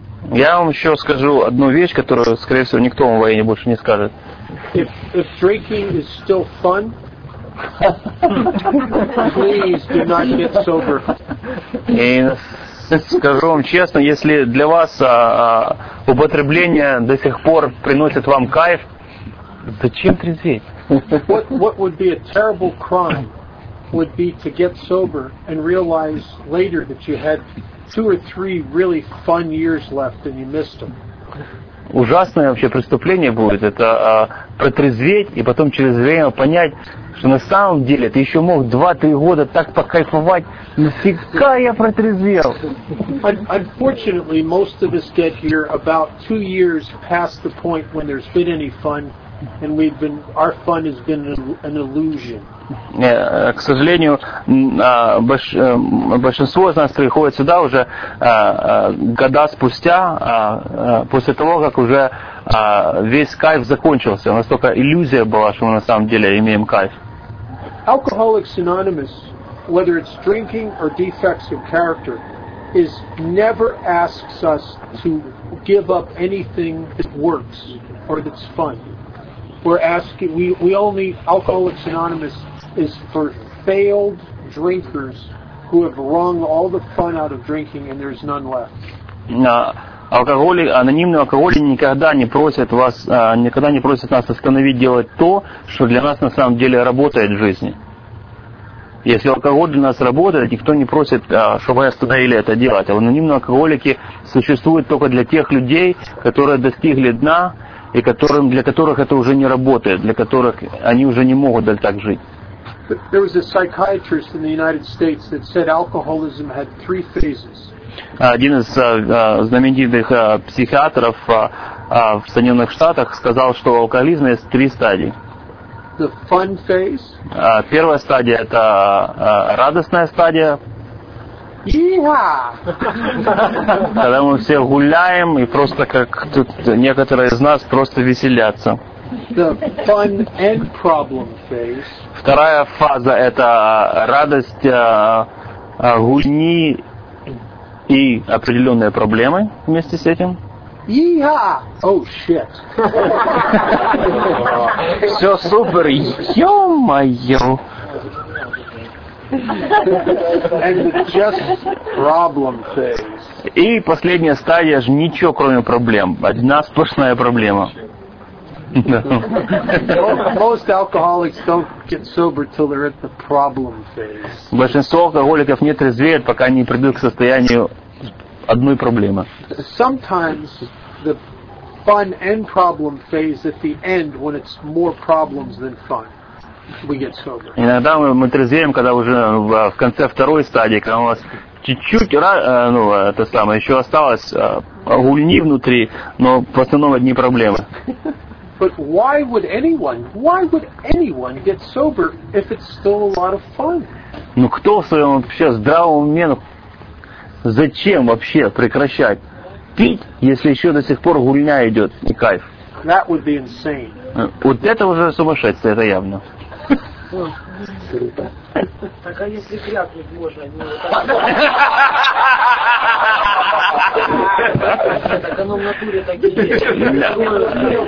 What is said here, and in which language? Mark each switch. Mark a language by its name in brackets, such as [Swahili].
[Russian] Я вам еще скажу одну вещь, которую, скорее всего, никто вам в АА больше не скажет. [English] If drinking is still fun, please do not get sober. [Russian] И скажу вам честно, если для вас употребление до сих пор приносит вам кайф, зачем трезветь? [English] What would be a terrible crime would be to get sober and realize later that you had two or three really fun years left and you missed them. [Russian] Ужасное вообще преступление будет это протрезветь и потом через время понять, что на самом деле ты еще мог 2-3 года так покайфовать, нафига я протрезвел. [English] Unfortunately, most of us get here about 2 years past the point when there's been any fun. And we've been, our fun has been an illusion. [Russian] К сожалению, большинство из нас приходит сюда уже года спустя, после того, как уже весь кайф закончился. У нас только иллюзия была, что мы на самом деле имеем кайф. [English] Alcoholics Anonymous, whether it's drinking or defects of character, is never asks us to give up anything that works or that's fun. We're asking, we only, Alcoholics Anonymous is for failed drinkers who have wrung all the fun out of drinking and there's none left. [Russian] Анонимные алкоголики никогда не просят вас, никогда не просят нас остановить делать то, что для нас на самом деле работает в жизни. Если алкоголь для нас работает, никто не просит, чтобы мы остановили это делать. А анонимные алкоголики существуют только для тех людей, которые достигли дна, и которым, для которых это уже не работает, для которых они уже не могут дальше так жить. [English] There was a psychiatrist in the United States that said alcoholism had 3 phases. [Russian] Один из знаменитых психиатров в Соединенных Штатах сказал, что у алкоголизма есть 3 стадии. [English] The fun phase. [Russian] Первая стадия – это радостная стадия. [English] Yeah. [Russian] Когда мы все гуляем и просто как тут некоторые из нас просто веселятся. [English] The fun and problem phase. [Russian] Вторая фаза это радость гульни и определенные проблемы вместе с этим. [English] Yeah. Oh shit. [Russian] Все супер. Ё-моё. [English] And just problem phase. [Russian] И последняя стадия же ничего кроме проблем. Одна сплошная проблема. [English] Most alcoholics don't get sober till they're at the problem phase. [Russian] Большинство алкоголиков не трезвеют, пока не придут к состоянию одной проблемы. [English] Sometimes the fun and problem phase at the end when it's more problems than fun. [Russian] Иногда мы трезвеем, когда уже в конце второй стадии, когда у нас чуть-чуть, ну, это самое, еще осталось гульни внутри, но в основном одни проблемы. [English] But why would anyone get sober if it's still a lot of fun? [Russian] Ну кто в своем вообще здравом уме, зачем вообще прекращать пить, если еще до сих пор гульня идет и кайф? [English] That would be insane. [Russian] Вот это уже сумасшествие, это явно. Так а если крякнуть можно, они вот так.